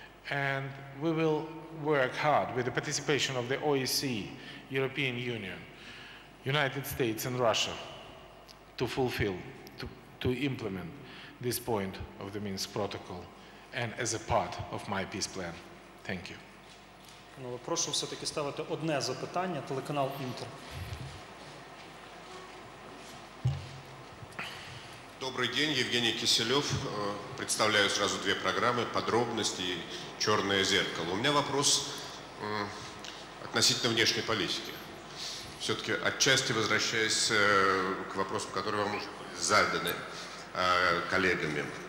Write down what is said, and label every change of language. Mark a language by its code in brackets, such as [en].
[en] And we will work hard with the participation of the OSCE, European Union, United States and Russia to fulfill, to implement this point of the Minsk Protocol and as a part of my peace plan. Thank you. [uk] Ну, прошу все-таки ставити одне запитання, телеканал Інтер. [ru] Добрый день, Евгений Киселев. Представляю сразу две программы, подробности и черное зеркало. У меня вопрос относительно внешней политики. Все-таки отчасти возвращаясь к вопросу, который вам уже заданы коллегами.